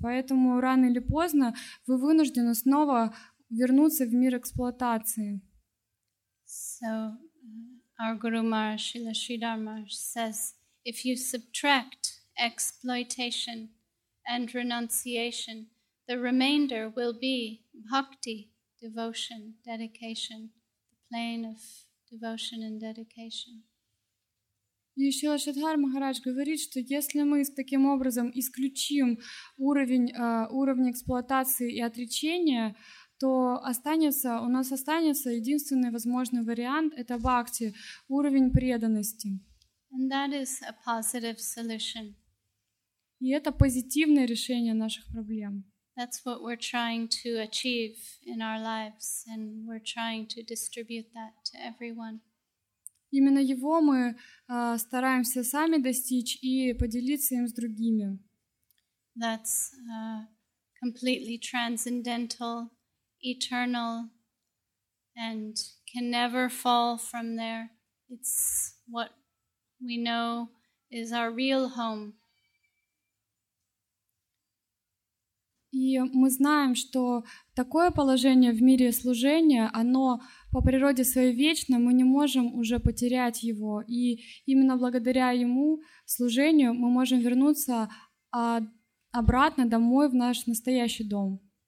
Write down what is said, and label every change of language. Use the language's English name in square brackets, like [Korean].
[Russian] Поэтому рано или поздно вы вынуждены снова вернуться в мир эксплуатации. [English] So our Guru Maharaj Srila Sridhar Maharaj says, if you subtract exploitation and renunciation, the remainder will be bhakti, devotion, dedication, the plane of devotion and dedication. [Russian] Еще Шридхар Махарадж говорит, что если мы таким образом исключим уровень эксплуатации и отречения, то у нас останется единственный возможный вариант — это бхакти, уровень преданности. [English] And that is a positive solution. [Russian] И это позитивное решение наших проблем. [English] That's what we're trying to achieve in our lives, and we're trying to distribute that to everyone. [Russian] Именно его мы стараемся сами достичь и поделиться им с другими. [English] That's completely transcendental, eternal, and can never fall from there. It's what we know is our real home. [Russian] И мы знаем, что такое положение в мире служения, оно по природе своей вечно, мы не можем уже потерять его. И именно благодаря ему, служению, мы можем вернуться обратно домой, в наш настоящий дом.